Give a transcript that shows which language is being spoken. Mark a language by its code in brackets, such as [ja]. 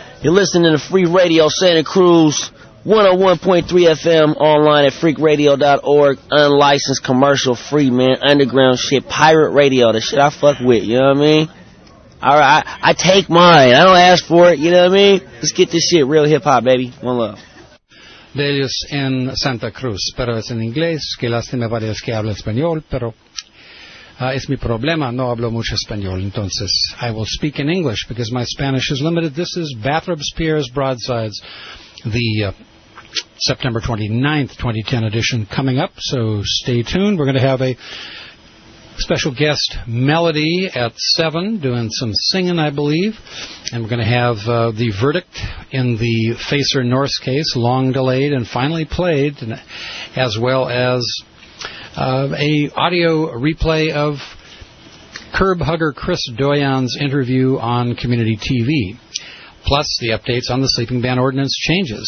[en] You're listening to the Free Radio Santa Cruz, 101.3 FM, online at freakradio.org. Unlicensed, commercial, free, man. Underground shit, pirate radio, the shit I fuck with, you know what I mean? All right, I take mine. I don't ask for it, you know what I mean? Let's get this shit real hip-hop, baby. One love. [es] De ellos en Santa Cruz, pero es en inglés, que lástima para ellos que hablo español, pero es mi problema, no hablo mucho español, entonces [en] I will speak in English because my Spanish is limited. This is Bathrop Spears Broadsides, the September 29th, 2010 edition coming up, so stay tuned. We're going to have a special guest, Melody, at 7, doing some singing, I believe. And we're going to have the verdict in the Facer-Norse case, long delayed and finally played, as well as a audio replay of curb hugger Chris Doyon's interview on community TV, plus the updates on the sleeping ban ordinance changes.